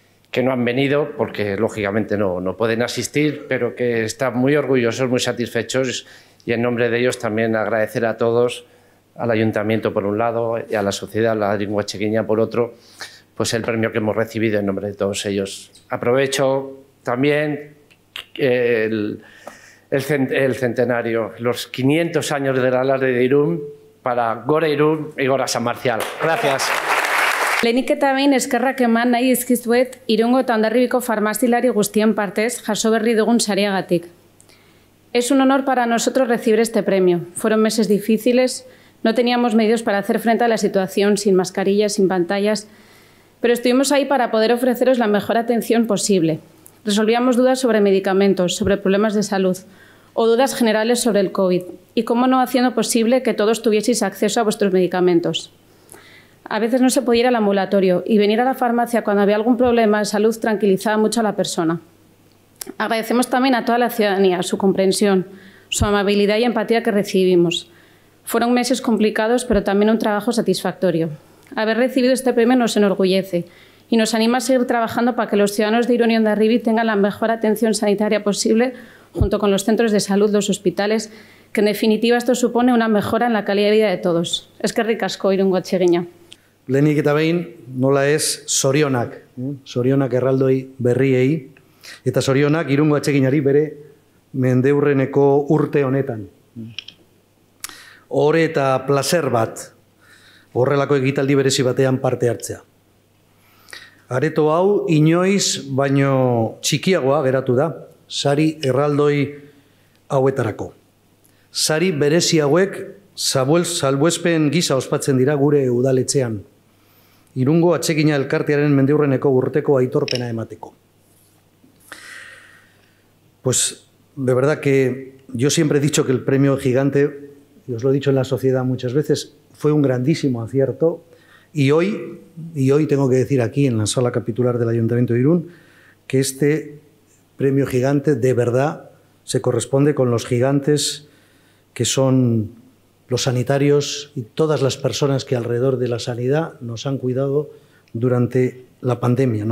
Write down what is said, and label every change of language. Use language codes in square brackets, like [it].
[es] que no han venido, porque lógicamente no pueden asistir, pero que están muy orgullosos, muy satisfechos, y en nombre de ellos también agradecer a todos, al Ayuntamiento por un lado y a la sociedad, a la Irungo Atsegiña por otro, pues el premio que hemos recibido en nombre de todos ellos. Aprovecho también el centenario, los 500 años del alarde de Irún, para [eu] Gora Irún [es] y [eu] Gora San Marcial. [es] Gracias. [eu] Lehenik eta behin eskerrak eman nahi izkizuet Irungo eta Hondarribiko farmazilari guztien partez jaso berri dugun sariagatik. [es] Es un honor para nosotros recibir este premio. Fueron meses difíciles, no teníamos medios para hacer frente a la situación sin mascarillas, sin pantallas, pero estuvimos ahí para poder ofreceros la mejor atención posible. Resolvíamos dudas sobre medicamentos, sobre problemas de salud o dudas generales sobre el COVID y, cómo no, haciendo posible que todos tuvieseis acceso a vuestros medicamentos. A veces no se podía ir al ambulatorio y venir a la farmacia cuando había algún problema de salud tranquilizaba mucho a la persona. Agradecemos también a toda la ciudadanía su comprensión, su amabilidad y empatía que recibimos. Fueron meses complicados, pero también un trabajo satisfactorio. Haber recibido este premio nos enorgullece y nos anima a seguir trabajando para que los ciudadanos de Irún y Hondarribi tengan la mejor atención sanitaria posible, junto con los centros de salud, los hospitales, que en definitiva esto supone una mejora en la calidad de vida de todos. [eu] Eskerrik asko, Irungo Atsegiña. Lehenik eta behin, nola ez, zorionak. Zorionak erraldoi berriei, eta zorionak Irungo Atseginari bere mendeurreneko urte honetan. Ore eta placer bat, horrelako egitaldi berezi batean parte hartzea. Areto hau inoiz baino txikiagoa geratu da, sari erraldoi hauetarako. Sari berezi hauek salbuespen gisa ospatzen dira gure udaletxean, Irungo Atsegiña elkartearen mendeurreneko urteko aitorpena emateko. [es] Pues de verdad que yo siempre he dicho que el premio gigante, y os lo he dicho en la sociedad muchas veces, fue un grandísimo acierto, y hoy tengo que decir aquí en la sala capitular del Ayuntamiento de Irún que este premio gigante de verdad se corresponde con los gigantes que son los sanitarios y todas las personas que alrededor de la sanidad nos han cuidado durante la pandemia.